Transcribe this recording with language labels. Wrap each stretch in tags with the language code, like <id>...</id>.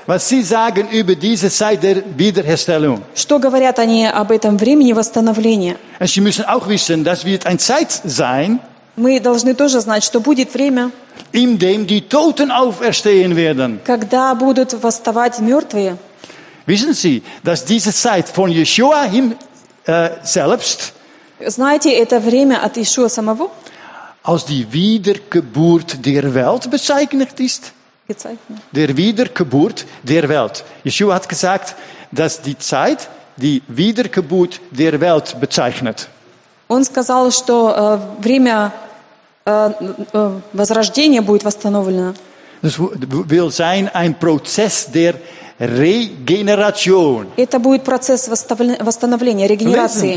<de>Was sie sagen über diese Zeit der Wiederherstellung.</de> <ru>Что говорят они об этом времени восстановления.</ru> <de>Und sie müssen auch wissen, dass wird ein Zeit sein,</de> <ru>мы должны тоже знать, что будет время,</ru> <de>in dem die Toten auferstehen werden.</de> <ru>Когда будут восставать мертвые.</ru> <de>Wissen Sie, dass diese Zeit von Yeshua selbst,</de> <ru>знаете, это время от Иешуа самого,</ru> <de>als die Wiedergeburt der Welt bezeichnet ist. Der Wiedergeburt der Welt. Yeshua hat gesagt, dass die Zeit die Wiedergeburt der Welt bezeichnet.</de> <ru>Он сказал, что время возрождения будет восстановлено.</ru> <de>Das will sein ein Prozess der Regeneration.</de> <ru>Это будет процесс восстановления, регенерации.</ru>